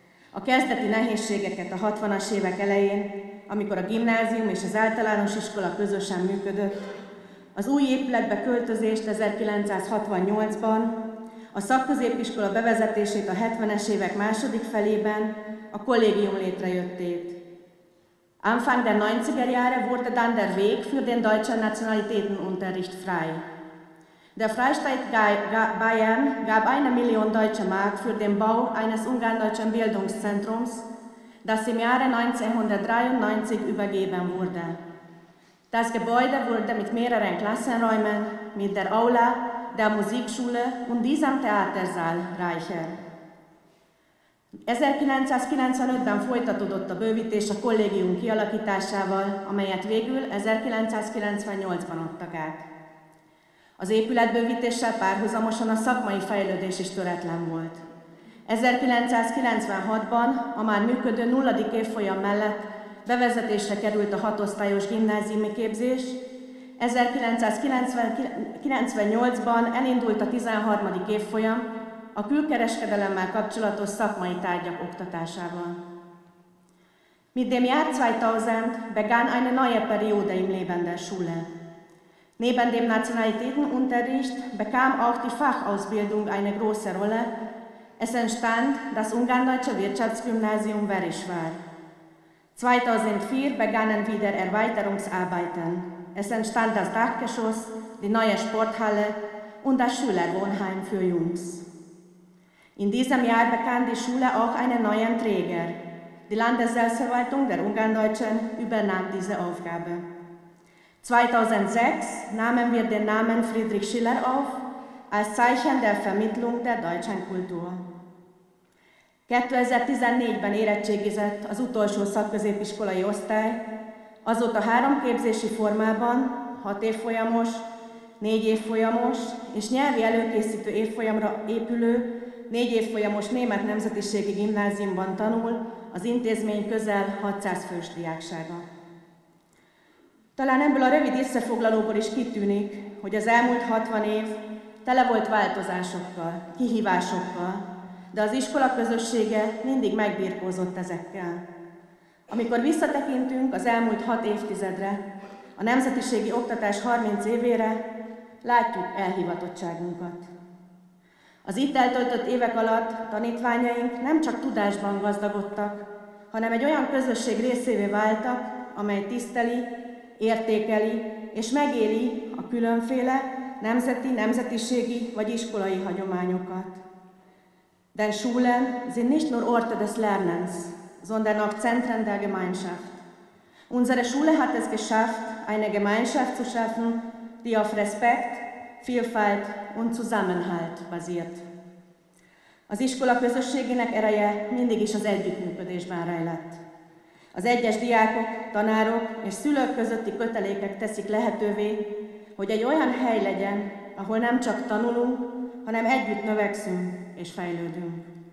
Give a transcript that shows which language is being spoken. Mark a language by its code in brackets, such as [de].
[hu] A kezdeti nehézségeket a 60-as évek elején, amikor a gimnázium és az általános iskola közösen működött, az új épületbe költözést 1968-ban, a szakközépiskola bevezetését a 70-es évek második felében, a kollégium létrejöttét. [de] Anfang der 90er Jahre wurde dann der Weg für den deutschen Nationalitätenunterricht frei. Der Freistaat Bayern gab 1 Million deutsche Mark für den Bau eines ungarndeutschen Bildungszentrums, das im Jahre 1993 übergeben wurde. Das Gebäude wurde mit mehreren Klassenräumen, mit der Aula, der Musikschule und diesem Theatersaal reicher. [hu] 1995-ben folytatódott a bővítés a kollégium kialakításával, amelyet végül 1998-ban adtak át. Az épületbővítéssel párhuzamosan a szakmai fejlődés is töretlen volt. 1996-ban a már működő 0. évfolyam mellett bevezetésre került a 6-osztályos gimnáziumi képzés, 1998-ban elindult a 13. évfolyam, a külkereskedelemmel kapcsolatos szakmai tárgyak oktatásával. [de] Mit dem Jahr 2000 begann eine neue Periode im Leben der Schule. Neben dem Nationalitätenunterricht bekam auch die Fachausbildung eine große Rolle. Es entstand das Ungarndeutsche Wirtschaftsgymnasium Verisvár. 2004 begannen wieder Erweiterungsarbeiten. Es entstand das Dachgeschoss, die neue Sporthalle und das Schülerwohnheim für Jungs. In diesem Jahr bekam die Schule auch einen neuen Träger. Die Landesselbstverwaltung der Ungarndeutschen übernahm diese Aufgabe. 2006 nahmen wir den Namen Friedrich Schiller auf, als Zeichen der Vermittlung der deutschen Kultur. [hu] 2014-ben érettségizett az utolsó szakközépiskolai osztály, azóta 3 képzési formában, 6 évfolyamos, 4 évfolyamos és nyelvi előkészítő évfolyamra épülő négy évfolyamos német nemzetiségi gimnáziumban tanul, az intézmény közel 600 fős diáksága. Talán ebből a rövid összefoglalóból is kitűnik, hogy az elmúlt 60 év tele volt változásokkal, kihívásokkal, de az iskola közössége mindig megbirkózott ezekkel. Amikor visszatekintünk az elmúlt 6 évtizedre, a nemzetiségi oktatás 30 évére, látjuk elhivatottságunkat. Az itt eltöltött évek alatt tanítványaink nem csak tudásban gazdagodtak, hanem egy olyan közösség részévé váltak, amely tiszteli, értékeli és megéli a különféle nemzeti, nemzetiségi vagy iskolai hagyományokat. [de] Denn Schulen sind nicht nur Orte des Lernens, sondern auch Zentren der Gemeinschaft. Unsere Schule hat es geschafft, eine Gemeinschaft zu schaffen, die auf Respekt, Vielfalt und Zusammenhalt basiert. [hu] Az iskola közösségének ereje mindig is az együttműködésben rejlett. Az egyes diákok, tanárok és szülők közötti kötelékek teszik lehetővé, hogy egy olyan hely legyen, ahol nem csak tanulunk, hanem együtt növekszünk és fejlődünk.